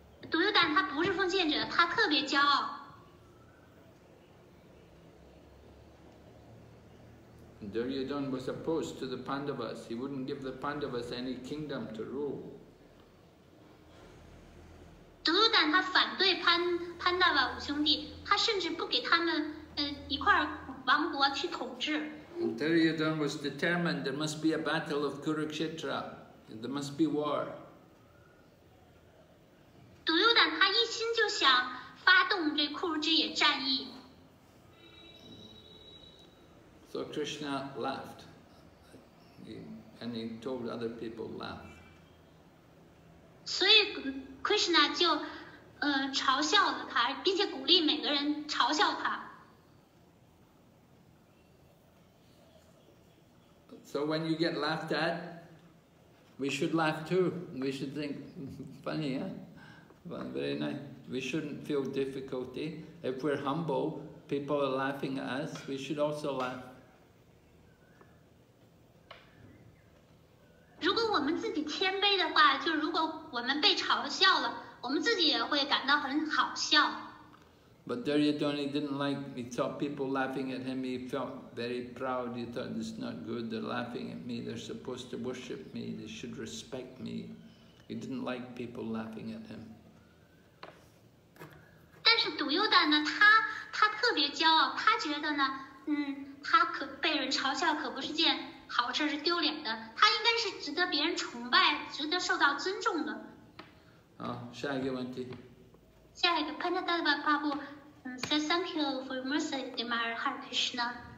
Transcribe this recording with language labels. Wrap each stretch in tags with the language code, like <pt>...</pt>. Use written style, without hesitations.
<zh>Duryodhan 他不是奉献者, 他特别骄傲.</zh> <en>Duryodhan was opposed to the Pandavas. He wouldn't give the Pandavas any kingdom to rule.</en> <zh>他反对潘大爸五兄弟，他甚至不给他们一块王国去统治。</zh> <en>Duryodhana was determined there must be a battle of Kurukshetra. There must be war.</en> <zh>Duryodhana 他一心就想发动这库尔之野战役。</zh> <en>So Krishna laughed. And he told other people to laugh.</en> <zh>所以 Krishna 就嘲笑了他，并且鼓励每个人嘲笑他。</zh> <en>So when you get laughed at, we should laugh too. We should think, funny, yeah? But very nice. We shouldn't feel difficulty. If we're humble, people are laughing at us, we should also laugh.</en> <zh>如果我们自己谦卑的话，就如果我们被嘲笑了，我们自己也会感到很好笑。</zh> <en>But Duryodhana didn't like, he saw people laughing at him, he felt very proud, he thought this is not good, they're laughing at me, they're supposed to worship me, they should respect me. He didn't like people laughing at him.</en> <zh>但是 Duryodhana 他特别骄傲，他觉得呢，他可被人嘲笑可不是件好事，是丢脸的，他应该是值得别人崇拜，值得受到尊重的。好，下一个问题。下一个</zh> <en>Panadeva Prabhu says thank you for your mercy, dear Maharaj Hare Krishna.</en>